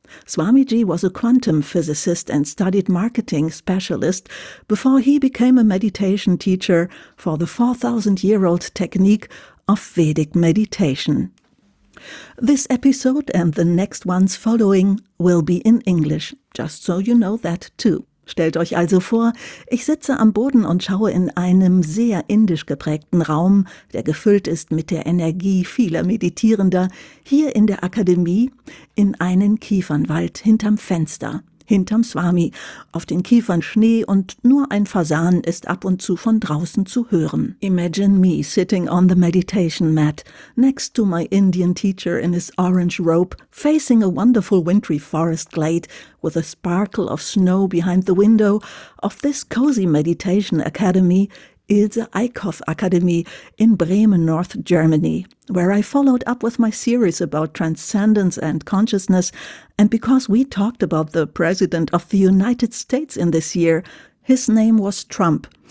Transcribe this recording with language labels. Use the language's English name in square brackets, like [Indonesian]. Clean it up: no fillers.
[English] Swamiji was a quantum physicist and studied marketing specialist before he became a meditation teacher for the 4,000-year-old technique of Vedic meditation. This episode and the next ones following will be in English, just so you know that too. [German] Stellt euch also vor, ich sitze am Boden und schaue in einem sehr indisch geprägten Raum, der gefüllt ist mit der Energie vieler Meditierender, hier in der Akademie, in einen Kiefernwald hinterm Fenster, hinterm Swami, auf den Kiefern Schnee und nur ein Fasan ist ab und zu von draußen zu hören. [English] Imagine me sitting on the meditation mat, next to my Indian teacher in his orange robe, facing a wonderful wintry forest glade, with a sparkle of snow behind the window of this cozy meditation academy, Ilse Eickhoff Academy in Bremen, North Germany, where I followed up with my series about transcendence and consciousness, and because we talked about the President of the United States in this year, his name was Trump.